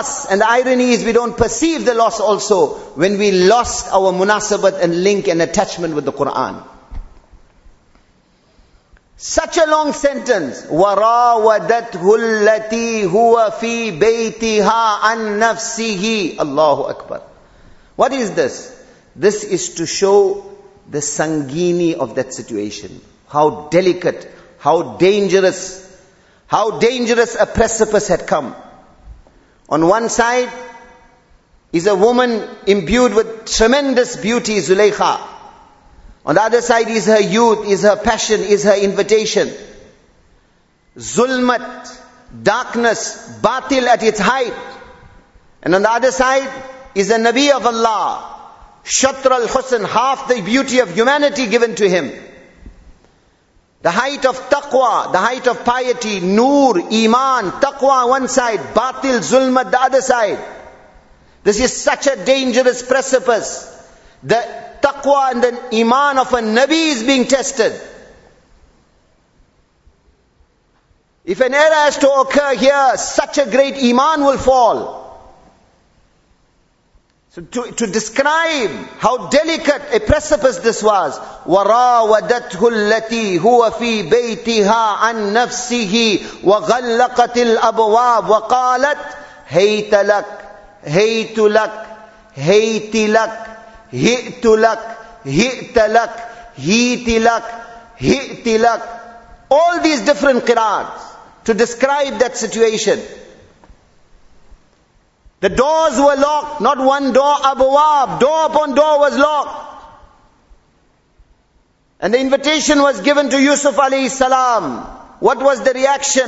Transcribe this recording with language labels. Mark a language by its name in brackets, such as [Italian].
[English] And the irony is we don't perceive the loss also when we lost our munasabat and link and attachment with the Quran. Such a long sentence. [Arabic] وَرَاوَدَتْهُ الَّتِي هُوَ فِي بَيْتِهَا عَن نَفْسِهِ Allahu Akbar. [English] What is this? This is to show the sangini of that situation. How delicate, how dangerous a precipice had come. On one side is a woman imbued with tremendous beauty, Zulaikha. On the other side is her youth, is her passion, is her invitation. Zulmat, darkness, batil at its height. And on the other side is a Nabi of Allah, Shatr al-Husn, half the beauty of humanity given to him. The height of taqwa, the height of piety, nur, iman, taqwa one side, batil, zulmat the other side. This is such a dangerous precipice. The taqwa and the iman of a Nabi is being tested. If an error has to occur here, such a great iman will fall. So to describe how delicate a precipice this was, [Arabic] وَرَاوَدَتْهُ الَّتِي هُوَ فِي بَيْتِهَا عَن نَفْسِهِ وَغَلَّقَتِ الْأَبْوَابِ وَقَالَتْ هَيْتَ لَكْ هَيْتُ لَكْ هَيْتِ لَكْ هِئْتُ لَكْ هِئْتَ لَكْ هِئْتِ لَكْ هِئْتِ لَكْ. [English] All these different qiraats to describe that situation. The doors were locked, not one door, abwab, door upon door was locked. And the invitation was given to Yusuf alayhi salam. What was the reaction?